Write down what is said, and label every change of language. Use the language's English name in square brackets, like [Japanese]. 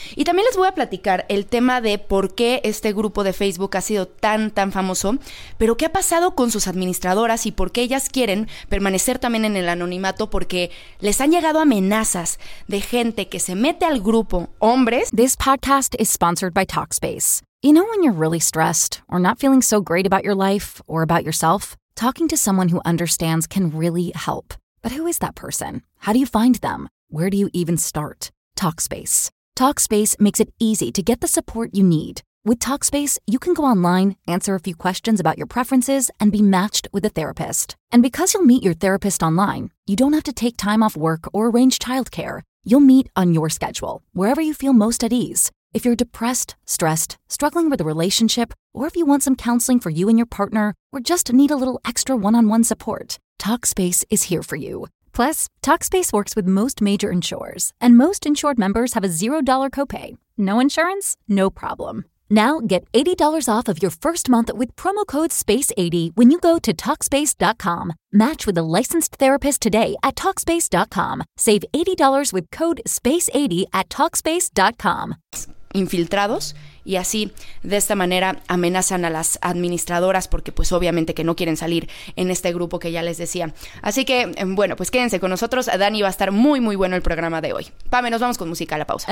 [Spanish] Y también les voy a platicar el tema de por qué este grupo de Facebook ha sido tan, tan famoso, pero qué ha pasado con sus administradoras y por qué ellas quieren permanecer también en el anonimato, porque les han llegado amenazas de gente que se mete al grupo, hombres. [English] This podcast is sponsored by Talkspace. You know when you're really stressed or not feeling so great about your life or about yourself? Talking to someone who understands can really help. But who is that person? How do you find them? Where do you even start? Talkspace. Talkspace makes it easy to get the support you need. With Talkspace, you can go online, answer a few questions about your preferences, and be matched with a therapist. And because you'll meet your therapist online, you don't have to take time off work or arrange childcare. You'll meet on your schedule, wherever you feel most at ease. If you're depressed, stressed, struggling with a relationship, or if you want some counseling for you and your partner, or just need a little extra one-on-one support, Talkspace is here for you. Plus, Talkspace works with most major insurers, and most insured members have a $0 copay. No insurance? No problem. Now get $80 off of your first month with promo code SPACE80 when you go to Talkspace.com. Match with a licensed therapist today at Talkspace.com. Save $80 with code SPACE80 at Talkspace.com. [Spanish] Infiltrados, y así de esta manera amenazan a las administradoras porque pues obviamente que no quieren salir en este grupo que ya les decía. Así que bueno, pues quédense con nosotros, Dani, va a estar muy muy bueno el programa de hoy. Pame, nos vamos con música a la pausa.